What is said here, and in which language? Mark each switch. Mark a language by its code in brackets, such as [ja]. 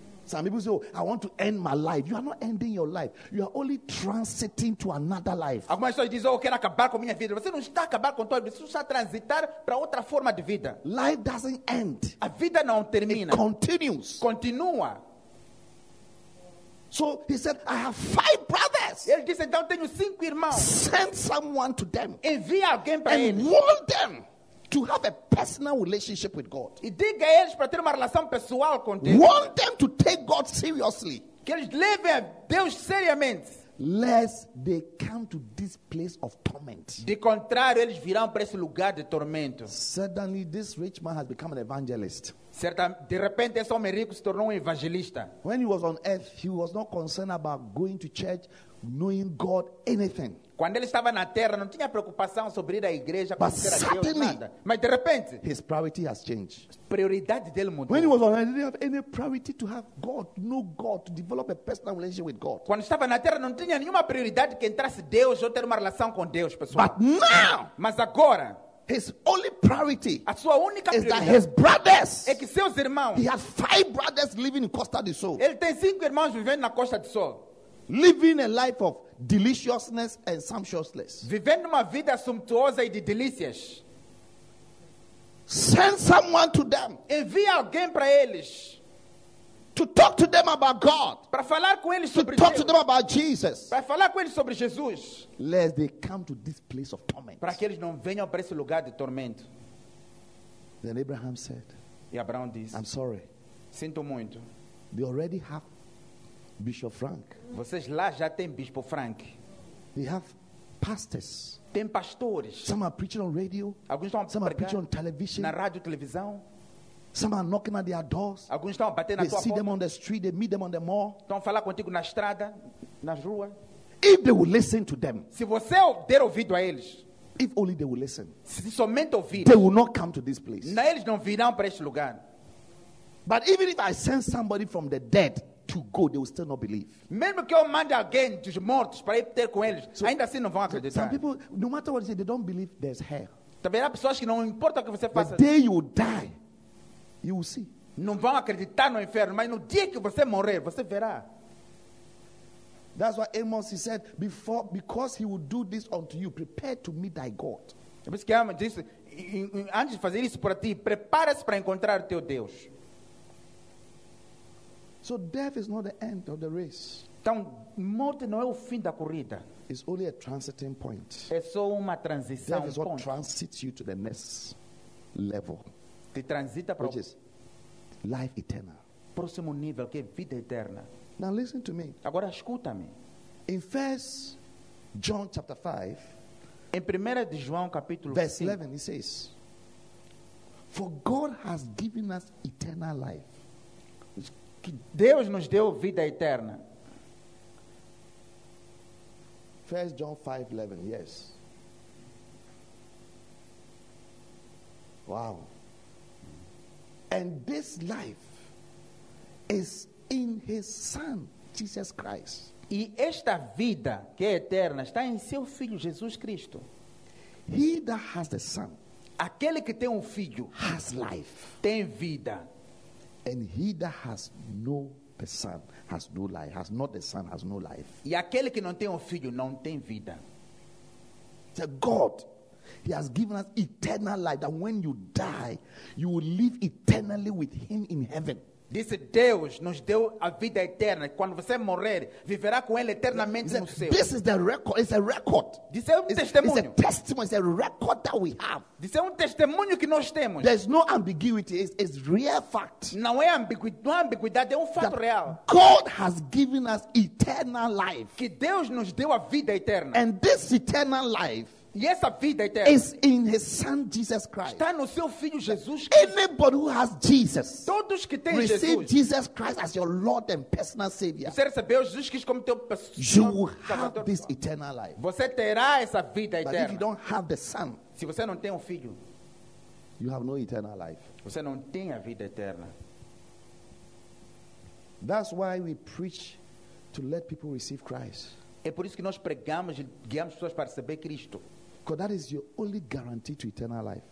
[en] Some people say, oh, I want to end my life. You are not ending your life. You are only transiting to another life. [pt] Algumas pessoas dizem, oh, eu quero acabar com a minha vida. Você não está a acabar com a tua vida. Você está a transitar para outra forma de vida. [en] Life doesn't end. [pt] A vida não termina. [en] It continues. [pt] Continua. [en] So he said, I have 5 brothers. [pt] Ele disse, então tenho 5 irmãos. [en] Send someone to them. [pt] Envie alguém para eles. [en] And warn them. To have a personal relationship with God. [pt] E diga a eles para ter uma relação pessoal com Deus. [en] Want them to take God seriously. [pt] Que eles levem a Deus seriamente. [en] Lest they come to this place of torment. [pt] De contrário, eles virão para esse lugar de tormento. [en] Suddenly, this rich man has become an evangelist. [pt] De repente, esse homem rico se tornou um evangelista. [en] When he was on earth, he was not concerned about going to church, knowing God, anything. [pt] Quando ele estava na terra, não tinha preocupação sobre ir à igreja, conhecer a Deus, nada. Mas de repente, [en] his priority has changed. [pt] Prioridade dele mudou. [en] When he was on earth, he didn't have any priority to have God, to know God, to develop a personal relationship with God. [pt] Quando estava na terra, não tinha nenhuma prioridade que entrasse Deus ou ter uma relação com Deus, pessoal. [en] But now, [pt] mas agora, [en] his only priority, [pt] a sua única [en] is that his brothers, [pt] é que seus irmãos, [en] he has 5 brothers living in Costa do Sol. [pt] Ele tem 5 irmãos vivendo na Costa do Sol. [en] Living a life of deliciousness and sumptuousness. [pt] Vivendo uma vida sumptuosa e de delícias. [en] Send someone to them. [pt] Envie alguém para eles. [en] To talk to them about God. [pt] Para falar com eles sobre [en] Deus. To talk [pt] Deus. [en] To them about Jesus. [pt] Para falar com eles sobre Jesus. [en] Lest they come to this place of torment. [pt] Para que eles não venham para esse lugar de tormento. [en] Then Abraham said. [pt] E Abraão disse. [en] I'm sorry. [pt] Sinto muito. [en] They already have Bishop Frank. [pt] Vocês lá já têm Bispo Frank. [en] They have pastors. [pt] Tem pastores. [en] Some are preaching on radio. [pt] Alguns estão a pregar. [en] Some are preaching on television. [pt] Na rádio, televisão. [en] Some are knocking at their doors. [pt] Alguns estão a bater [en] they [pt] na tua porta. [en] They see them on the street. They meet them on the mall. [pt] Estão a falar contigo na estrada, na rua. [en] If they will listen to them. [pt] Se você der ouvido a eles. [en] If only they will listen. [pt] Se somente ouvir. [en] They will not come to this place. [pt] Na eles não virão para este lugar. [en] But even if I send somebody from the dead. To go, they will still not believe. [pt] Mesmo que eu mande alguém dos mortos para ir ter com eles, so, ainda assim não vão acreditar. [en] Some people, no matter what they say, they don't believe there's hell. [pt] Também há pessoas que não importa o que você faça. [en] The day you die, you will see. [pt] Não vão acreditar no inferno, mas no dia que você morrer, você verá. [en] That's why Amos he said before, because he will do this unto you, prepare to meet thy God. [pt] É por isso que Amos disse, antes de fazer isso para ti, prepara-se para encontrar o teu Deus. [en] So death is not the end of the race. [pt] Então, morte não é o fim da corrida. [en] It's only a transiting point. [pt] É só uma transição. [en] Death is what transits you to the next level. [pt] Te transita para [en] which is life eternal. [pt] Próximo nível, que é vida eterna. [en] Now listen to me. [pt] Agora escuta-me. [en] In 1 John chapter 5, [pt] em 1 de João capítulo [en] verse 5, 11, it says, for God has given us eternal life. [pt] Que Deus nos deu vida eterna. [en] 1 John 5:11, yes. Wow. And this life is in his son, Jesus Christ. [pt] E esta vida que é eterna está em seu filho Jesus Cristo. [en] He that has the son, [pt] aquele que tem um filho, [en] has life. [pt] Tem vida. [en] And he that has no a son has no life. Has not a son has no life. [pt] E aquele que não tem filho não tem vida. [en] So God, He has given us eternal life, that when you die, you will live eternally with Him in heaven. [pt] Disse Deus nos deu a vida eterna. Quando você morrer, viverá com Ele eternamente no céu. [en] This is the record. It's a record. [pt] Disse testemunho. [en] It's a testimony. It's a record that we have. [pt] Disse testemunho que nós temos. [en] There's no ambiguity. It's real fact. [pt] Não é ambiguidade. Não é ambiguidade. É fato [en] that [pt] real. [en] God has given us eternal life. [pt] Que Deus nos deu a vida eterna. [en] And this eternal life, [pt] yes, a vida eterna, [en] is in His Son Jesus Christ. [pt] Está no seu filho Jesus. [en] Anybody who has Jesus, [pt] todos que têm [en] receive [pt] Jesus, [en] Jesus Christ as your Lord and personal Savior. [pt] Você recebeu Jesus Cristo como teu [en] you will have this eternal life. [pt] Você terá essa vida eterna. [en] But if you don't have the Son, [pt] se você não tem filho, [en] you have no eternal life. [pt] Você não tem a vida eterna. [en] That's why we preach to let people receive Christ. [pt] É por isso que nós pregamos e guiamos pessoas para receber Cristo. [en] Because that is your only guarantee to eternal life.